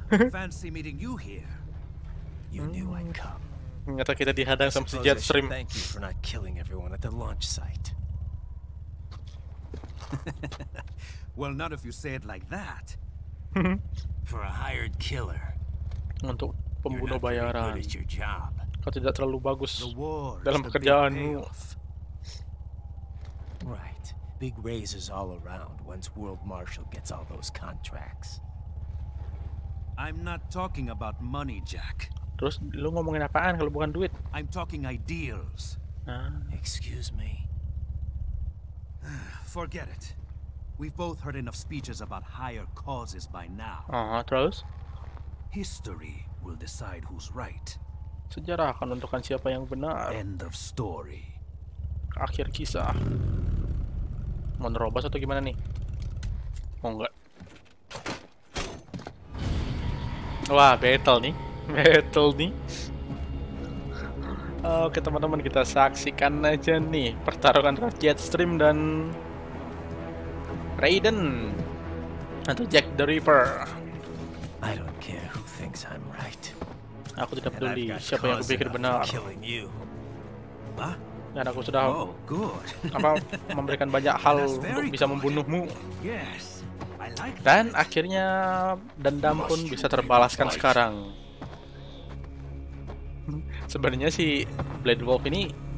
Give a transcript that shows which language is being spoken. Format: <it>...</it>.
<en>Fancy meeting you here. You knew I'd come.</en> <id>Nyata kita dihadang sama si Jetstream.</id> <en>Thank you for not killing everyone at the launch site. Well, not if you say it like that. For a hired killer.</en> <id>Untuk pembunuh bayaran. Kau tidak terlalu bagus dalam pekerjaanmu.</id> <en>Right. Big raises all around once World Marshal gets all those contracts. I'm not talking about money, Jack.</en> <id>Terus lu ngomongin apaan kalau bukan duit?</id> <en>I'm talking ideals. Excuse me. Forget it. We've both heard enough speeches about higher causes by now.</en> <id>Terus?</id> <en>History will decide who's right.</en> <id>Sejarah akan menentukan siapa yang benar.</id> <en>End of story.</en> <id>Akhir kisah. Mau nerobos atau gimana nih? Mau enggak? Wah, battle nih. Battle nih. Oke teman-teman, kita saksikan aja nih pertarungan antara Jetstream dan Raiden atau Jack the Ripper.</id> <en>I don't care who thinks I'm right.</en> <id>Aku tidak peduli siapa yang aku pikir benar. Dan aku sudah apa memberikan banyak hal untuk bisa membunuhmu. Dan akhirnya dendam pun bisa terbalaskan sekarang. Sebenarnya si Blade Wolf ini</id>